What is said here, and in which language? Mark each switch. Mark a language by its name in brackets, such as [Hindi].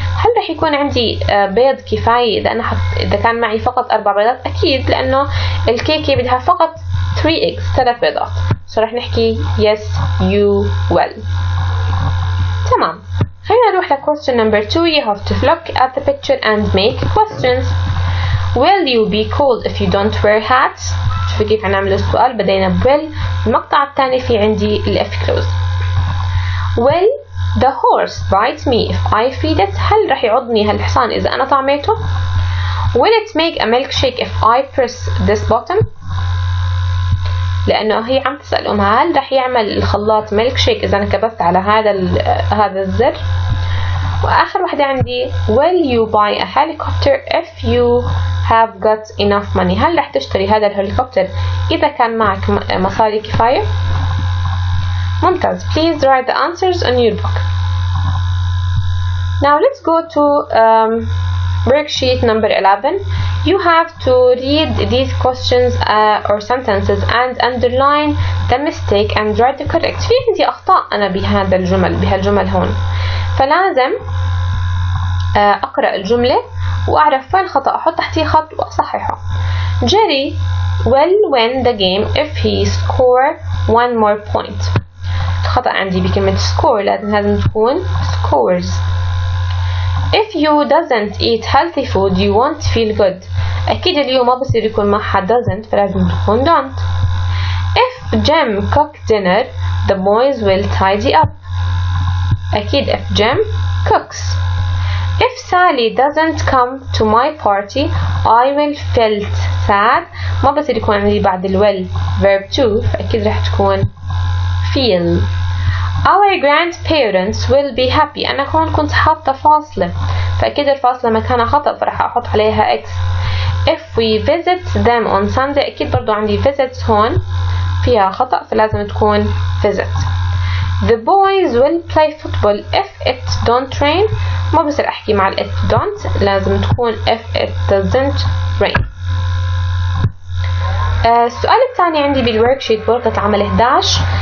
[Arabic] هل رح يكون عندي بيض كفاية إذا أنا إذا كان معي فقط 4 بيضات؟ أكيد لأنه الكيكة بدها فقط [English] 3 eggs [Arabic] 3 بيضات. [English] So [Arabic] رح نحكي [English] yes you will. [Arabic] تمام. خلينا نروح ل [English] question number 2. You have to look at the picture and make questions. Will you be cold if you don't wear hats? [Arabic] شوفي كيف هنعمل السؤال. بدينا will. المقطع الثاني في عندي الاف كلوز. [English] Will the horse bite me if I feed it? [Arabic] هل رح يعضني هالحصان إذا أنا طعميته؟ [English] Will it make a milkshake if I press this button? [Arabic] لأنه هي عم تسأل أمها هل رح يعمل الخلاط milkshake إذا أنا كبست على هذا الزر؟ وآخر واحدة عندي [English] Will you buy a helicopter if you have got enough money? [Arabic] هل رح تشتري هذا الهليكوبتر إذا كان معك مصاري كفاية؟ ممتاز. [English] Please write the answers on your book. Now let's go to worksheet number 11. You have to read these questions or sentences and underline the mistake and write the correct. [Arabic] في عندي أخطاء أنا بهذا الجمل بهالجمل هون. فلازم أقرأ الجملة وأعرف وين الخطأ أحط تحتي خط وأصححه. [English] Jerry will win the game if he score one more point. [Arabic] خطأ عندي بكلمة score لازم تكون scores. [English] If you doesn't eat healthy food you won't feel good. [Arabic] أكيد اليوم ما بصير يكون معها doesn't فلازم تكون don't. [English] If Jim cook dinner the boys will tidy up. [Arabic] أكيد [English] if Jim cooks. If Sally doesn't come to my party I will feel sad. [Arabic] ما بصير يكون عندي بعد ال will verb 2 فأكيد رح تكون feel. [English] Our grandparents will be happy. [Arabic] أنا هون كنت حاطة فاصلة فأكيد الفاصلة مكانها خطأ فرح أحط عليها X. [English] If we visit them on Sunday [Arabic] أكيد برضو عندي visit هون فيها خطأ فلازم تكون visit. [English] The boys will play football if it don't rain. [Arabic] ما بصير أحكي مع الـ if don't لازم تكون [English] if it doesn't rain. [Arabic] السؤال الثاني عندي بالworksheet ورقة عمل 11.